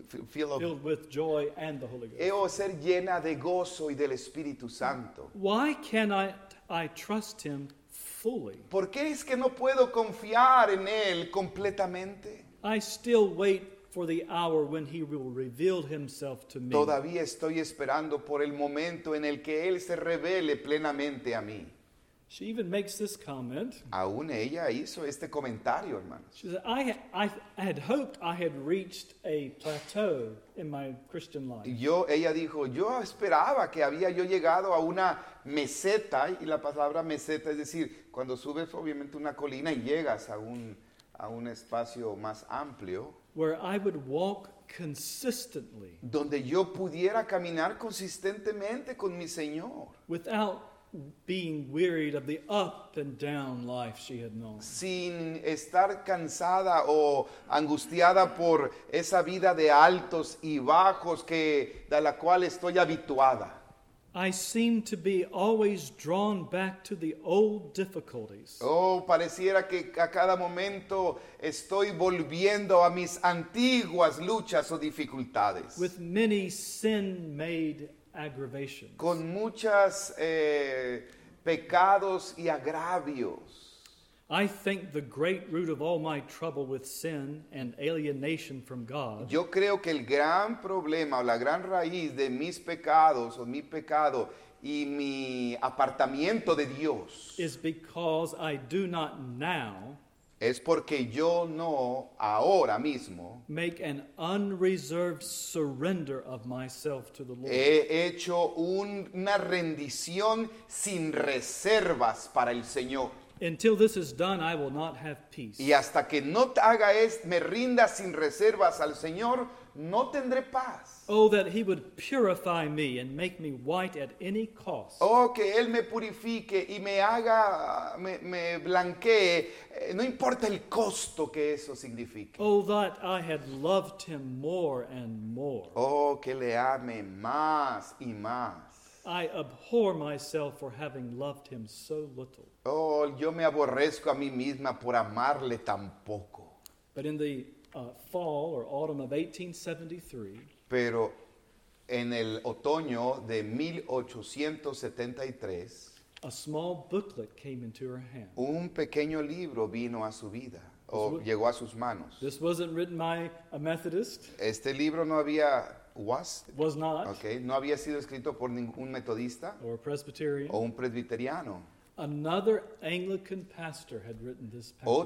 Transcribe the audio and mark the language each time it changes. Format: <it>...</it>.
<en>filled with joy and the Holy Ghost.</en> <es>Oh, ser llena de gozo y del Espíritu Santo.</es> <en>Why can't I trust him fully?</en> <es>¿Por qué es que no puedo confiar en él completamente?</es> <en>I still wait for the hour when he will reveal himself to me.</en> <es>Todavía estoy esperando por el momento en el que él se revele plenamente a mí.</es> <en>She even makes this comment.</en> <es>Aún ella hizo este comentario, hermanos.</es> <en>She said, I had hoped I had reached a plateau in my Christian life.</en> <es>Ella dijo, yo esperaba que había yo llegado a una meseta, y la palabra meseta es decir, cuando subes obviamente una colina y llegas a un espacio más amplio.</es> <en>Where I would walk consistently.</en> <es>Donde yo pudiera caminar consistentemente con mi Señor.</es> <en>Without being wearied of the up and down life she had known.</en> <es>Sin estar cansada o angustiada por esa vida de altos y bajos que de la cual estoy habituada.</es> <en>I seem to be always drawn back to the old difficulties.</en> <es>Oh, pareciera que a cada momento estoy volviendo a mis antiguas luchas o dificultades.</es> <en>With many sin-made aggravations.</en> <es>Con muchas pecados y agravios.</es> <en>I think the great root of all my trouble with sin and alienation from God.</en> <es>Yo creo que el gran problema o la gran raíz de mis pecados o mi pecado y mi apartamiento de Dios.</es> <en>Is because I do not now.</en> <es>Es porque yo no ahora mismo</es> <en>make an unreserved surrender of myself to the Lord.</en> <es>He hecho una rendición sin reservas para el Señor.</es> <en>Until this is done, I will not have peace.</en> <es>Y hasta que no haga me rinda sin reservas al Señor, no tendré paz.</es> <en>Oh, that he would purify me and make me white at any cost.</en> <es>Oh, que él me purifique y me haga, me blanquee, no importa el costo que eso signifique.</es> <en>Oh, that I had loved him more and more.</en> <es>Oh, que le ame más y más.</es> <en>I abhor myself for having loved him so little.</en> <es>Oh, yo me aborrezco a mí misma por amarle tan poco.</es> <en>But in the fall or autumn of 1873...</en> <es>Pero en el otoño de 1873,</es> <en>a small booklet came into her hand.</en> <es>Un pequeño libro vino a su vida, llegó a sus manos.</es> <en>This wasn't written by a Methodist.</en> <es>Este libro no había,</es> <en>was? Was not.</en> <es>Okay, no había sido escrito por ningún metodista.</es> <en>Or a Presbyterian.</en> <es>O un presbiteriano.</es> <en>Another Anglican pastor had written this pamphlet.</en>